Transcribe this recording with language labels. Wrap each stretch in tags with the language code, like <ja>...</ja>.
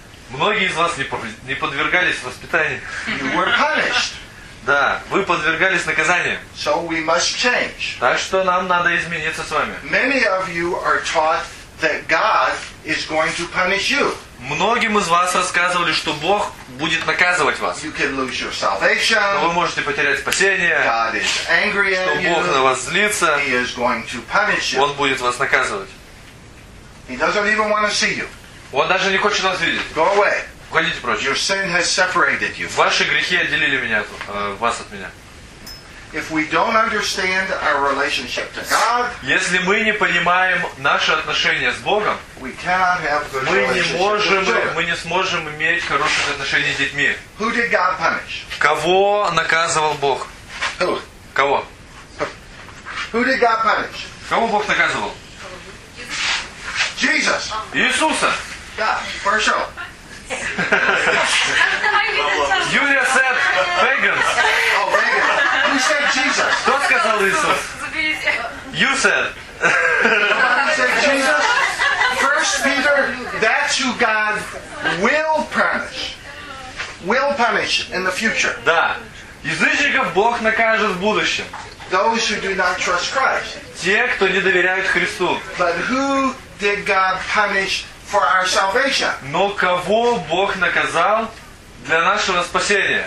<ru>Многие из вас не подвергались воспитанию.</ru> <en>You were punished.</en> <ru>Да, вы подвергались наказаниям.</ru> <en>So we must change.</en> <ru>Так что нам надо измениться с вами.</ru> <en>Many of you are taught that God is going to punish you.</en> <ru>Многим из вас рассказывали, что Бог будет наказывать вас.</ru> <en>You can lose your salvation.</en> <ru>Но вы можете потерять спасение.</ru> <en>God is angry at</en> <ru>что Бог</ru> <en>you.</en> <ru>На вас злится.</ru> <en>He is going to punish you.</en> <ru>Он будет вас наказывать.</ru> <en>He doesn't even want to see you.</en> <ru>Он даже не хочет вас видеть.</ru> <en>Go away.</en> <ru>Уходите прочь.</ru> <en>Your sin has separated you.</en> <ru>Ваши грехи отделили меня, вас от меня.</ru> <en>If we don't understand our relationship to God,</en> <ru>если мы не понимаем наши отношения с Богом,</ru> <en>we cannot have good relationship with children.</en> <ru>Мы не сможем иметь хорошие отношения с детьми.</ru> <en>Who did God punish?</en> <ru>Кого наказывал Бог?</ru> <en>Who?</en> <ru>Кого?</ru> <en>Who did God punish?</en> <ru>Кого Бог наказывал?</ru> <en>Jesus.</en> <ru>Иисуса.</ru> <en>Yeah, for sure. Юлия said pagans. Oh, pagans. Who said Jesus?</en> <ru>Кто сказал Иисус?</ru> <en>You said. Nobody said Jesus. First Peter, that's who God will punish. will punish in the future.</en> <ru>Да. Язычников Бог накажет в будущем.</ru> <en>Those who do not trust Christ.</en> <ru>Те, кто не доверяют Христу.</ru> <en>But who did God punish for our salvation?</en> <ru>Но кого Бог наказал для нашего спасения?</ru>